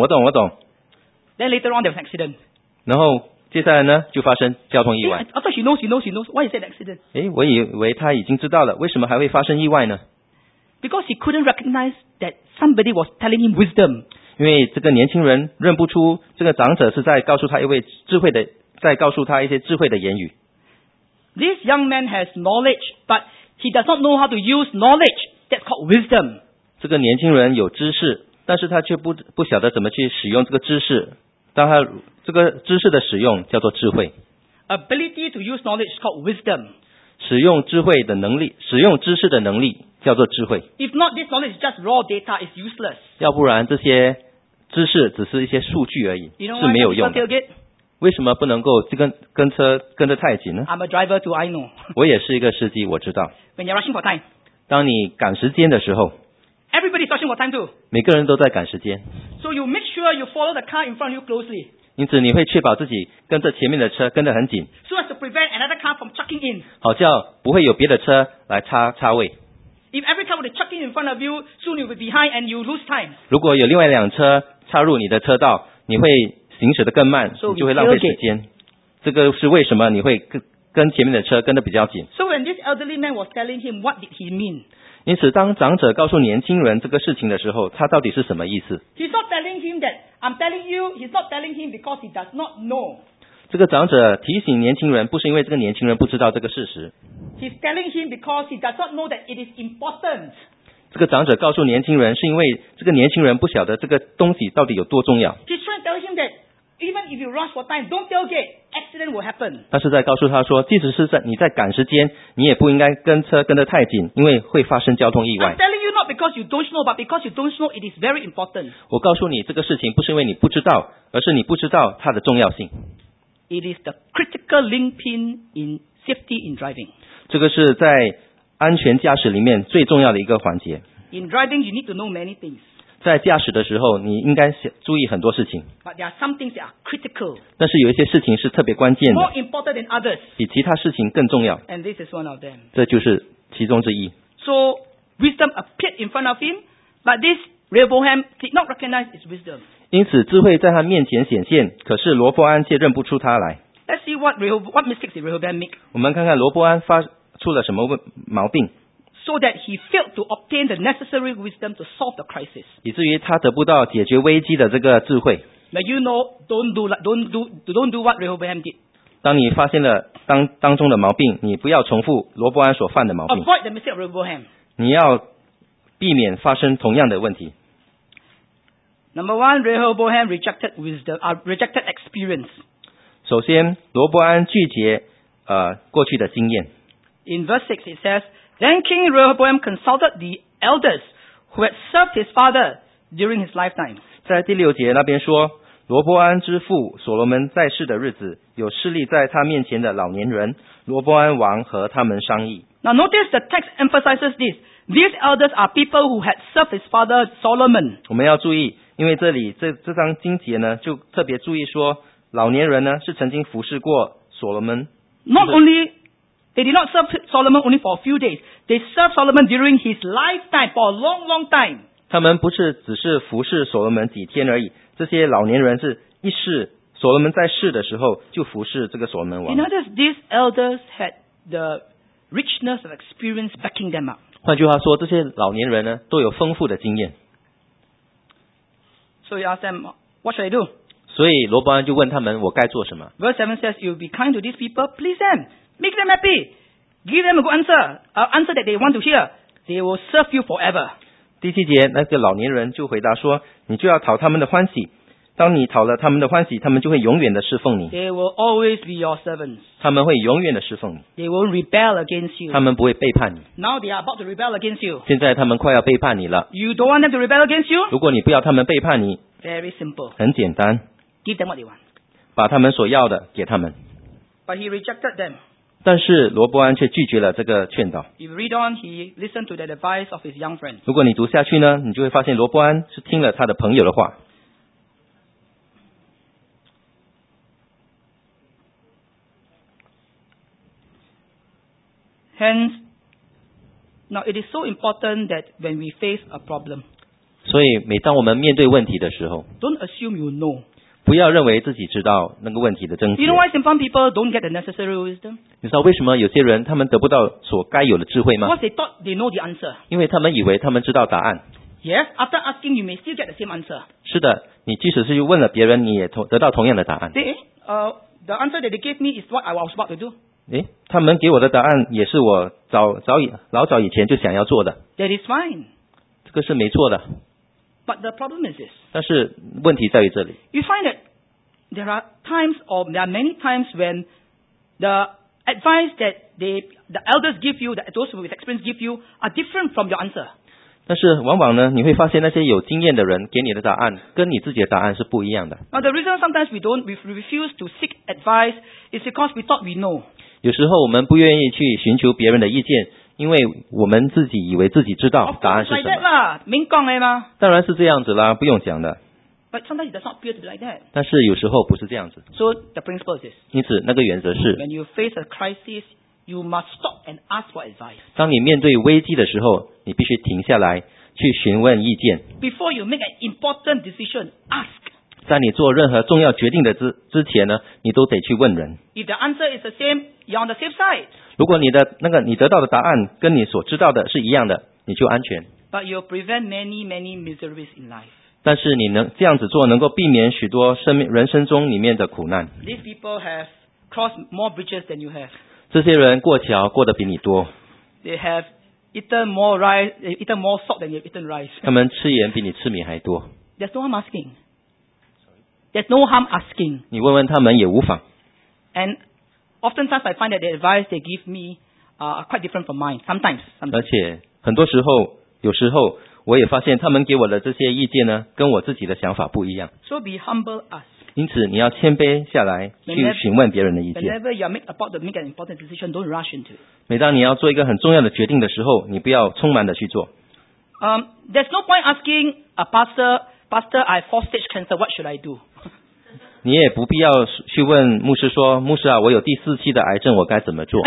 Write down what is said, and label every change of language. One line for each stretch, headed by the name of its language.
English: Then later on there was an accident.
Chinese: 然后接下来呢就发生交通意外。
English: I thought she knows. Why is that accident?
Chinese: 我以为她已经知道了，为什么还会发生意外呢？
English: Because she couldn't recognize that somebody was telling him wisdom.
Chinese: 因为这个年轻人认不出这个长者是在告诉他一位智慧的，在告诉他一些智慧的言语。
English: This young man has knowledge, but he does not know how to use knowledge. That's called wisdom.
Chinese: 这个年轻人有知识，但是他却 不晓得怎么去使用这个知识。当他这个知识的使用叫做智慧。
English: Ability to use knowledge is called wisdom.
Chinese: 使用智慧的能力，使用知识的能力叫做智慧。
English: If not, this knowledge is just raw data. It's useless.
Chinese: 要不然这些知识只是一些数据而已，是没有用的。为什么不能够跟车跟得太紧呢？
English: I'm a driver too, I know.
Chinese: 我也是一个司机，我知道。
English: When you're rushing for time.
Chinese: 当你赶时间的时候。
English: Everybody's rushing for time too.
Chinese: 每个人都在赶时间。
English: So you make sure you follow the car in front of you closely.
Chinese: 因此你会确保自己跟着前面的车跟得很紧。
English: So as to prevent another car from chucking in.
Chinese: 好叫不会有别的车来插位。
English: If every car were to chuck in front of you, soon you'll be behind and you lose time.
Chinese: 如果有另外两车插入你的车道，你会行驶得更慢，你就会浪费时间。这个是为什么你会跟前面的车跟得比较紧。
English: So when this elderly man was telling him, what did he mean?
Chinese: 因此当长者告诉年轻人这个事情的时候，他到底是什么意思？
English: He's not telling him that I'm telling you, he's not telling him because he does not know.
Chinese: 这个长者提醒年轻人，不是因为这个年轻人不知道这个事实。
English: He's telling him because he does not know that it is important.
Chinese: 这个长者告诉年轻人，是因为这个年轻人不晓得这个东西到底有多重要。
English: He's trying to tell him that,Even if you rush for time, don't tailgate. Accident will happen.
Chinese: 他是在告诉他说，即使是你在赶时间，你也不应该跟车跟得太紧，因为会发生交通意外。
English: I'm telling you not because you don't know, but because you don't know it is very important.
Chinese: 我告诉你这个事情不是因为你不知道，而是你不知道它的重要性。
English: It is the critical linchpin in safety in driving.
Chinese: 这个是在安全驾驶里面最重要的一个环节。
English: In driving, you need to know many things.
Chinese: 在驾驶的时候你应该注意很多事情。
English: But there are some things that are critical.
Chinese: 但是有一些事情是特别关键的。
English: More important than others.
Chinese: 比其他事情更重要。
English: And this is one of them.
Chinese: 这就是其中之一。
English: So, wisdom appeared in front of him, but this Rehoboam did not recognize his wisdom.
Chinese: 因此智慧在他面前显现，可是罗伯安却认不出他来。
English: Let's see what mistakes did Rehoboam make.
Chinese: 我们看看罗伯安发出了什么毛病。
English: So that he failed to obtain the necessary wisdom to solve the crisis.
Chinese: 以至于他得不到解决危机的这个智慧。
English: Now you know, don't do what Rehoboam did.
Chinese: 当你发现了当中的毛病，你不要重复罗伯安所犯的毛病。
English: Avoid the mistake of Rehoboam.
Chinese: 你要避免发生同样的问题。
English: Number one, Rehoboam rejected wisdom, rejected experience.
Chinese: 首先，罗伯安拒绝过去的经验。
English: In verse 6 it says,Then King Rehoboam consulted the elders who had served his father during his lifetime.
Chinese: 在第六节那边说，罗伯安之父所罗门在世的日子，有势力在他面前的老年人，罗伯安王和他们商议。
English: Now notice the text emphasizes this. These elders are people who had served his father Solomon.
Chinese: 我们要注意，因为这里这张经节呢，就特别注意说，老年人呢是曾经服侍过所罗门。
English: Not only. They did not serve Solomon only for a few days. They served Solomon during his lifetime for a long, long time.
Chinese: 他们不是只是服侍所罗门几天而已。这些老年人是一世所罗门在世的时候就服侍这个所罗门王。
English: In other words, these elders had the richness of experience backing them up.
Chinese: 换句话说，这些老年人呢都有丰富的经验。
English: So he asked them, "What should I do?"
Chinese: 所以罗伯安就问他们，我该做什么
English: ？Verse 7 says, "You'll be kind to these people, please them." Make them happy. Give them a good answer. An answer that they want to hear. They will serve you forever.
Chinese: 第七节，那个老年人就回答说，你就要讨他们的欢喜。当你讨了他们的欢喜，他们就会永远的侍奉你。
English: They will always be your servants.
Chinese: 他们会永远的侍奉你。
English: They will rebel against you.
Chinese: 他们不会背叛你。
English: Now they are about to rebel against you.
Chinese: 现在他们快要背叛你了。
English: You don't want them to rebel against you?
Chinese: 如果你不要他们背叛你。
English: Very simple.
Chinese: 很简单。
English: Give them what they want.
Chinese: 把他们所要的给他们。
English: But he rejected them.
Chinese: 但是罗伯安却拒绝了这个劝导。
English: If you read on, he listened to the advice of his young friend.
Chinese: 如果你读下去呢，你就会发现罗伯安是听了他的朋友的话。
English: Hence, Now it is so important that when we face a problem,
Chinese: 所以每当我们面对问题的时候
English: don't assume you know.
Chinese: 不要认为自己知道那个问题的症结。
English: You know why some people don't get the necessary wisdom?
Chinese: 你知道为什么有些人他们得不到所该有的智慧吗？
English: Because they thought they know the answer.
Chinese: 因为他们以为他们知道答案。
English: Yes, after asking, you may still get the same answer.
Chinese: 是的，你即使是问了别人，你也得到同样的答案。
English: The answer that they gave me is what I was about to do.
Chinese: 他们给我的答案也是我老早以前就想要做的。
English: That is fine.
Chinese: 这个是没错的。
English: But the problem is this.
Chinese: 但是问题在于这里。
English: You find that there are many times when the advice that the elders give you, that those with experience give you, are different from your answer.
Chinese: 但是往往呢，你会发现那些有经验的人给你的答案跟你自己的答案是不一样的。
English: Now the reason sometimes we refuse to seek advice is because we thought we know.
Chinese: 有时候我们不愿意去寻求别人的意见，因为我们自己以为自己知道答案是什么。
English: Like that
Chinese: 啦，明讲的吗？当然是这样子啦，不用讲的。
English: But sometimes it does not appear to be like that.
Chinese: 但是有时候不是这样子。
English: So the principle is this.
Chinese: 因此那个原则是。
English: When you face a crisis. You must stop and ask for advice.
Chinese: 当你面对危机的时候，你必须停下来去询问意见。
English: Before you make an important decision, ask.
Chinese: 在你做任何重要决定的之前呢，你都得去问人。
English: If the answer is the same, you're on the safe side.
Chinese: 如果你得到的答案跟你所知道的是一样的，你就安全。
English: But you'll prevent many, many miseries in life.
Chinese: 但是你能这样子做，能够避免许多人生中里面的苦难。
English: These people have crossed more bridges than you have.
Chinese: 这些人过桥过得比你多。
English: They have eaten more rice, eaten more salt than you've eaten rice.
Chinese: 他们吃盐比你吃米还多。
English: There's no harm asking. There's no harm asking.
Chinese: 你问问他们也无妨。
English: And oftentimes I find that the advice they give me are quite different from mine. Sometimes.
Chinese: 而且很多时候，有时候我也发现他们给我的这些意见呢，跟我自己的想法不一样。
English: So be humble us.
Chinese: 因此你要谦卑下来去询问别人的意见。
English: Whenever you are about to make an important decision, don't rush into it.
Chinese: 每当你要做一个很重要的决定的时候，你不要匆忙的去做。
English: There's no point asking a pastor, I have 4-stage cancer, what should I do?
Chinese: 你也不必要去问牧师说，牧师啊，我有第四期的癌症，我该怎么做？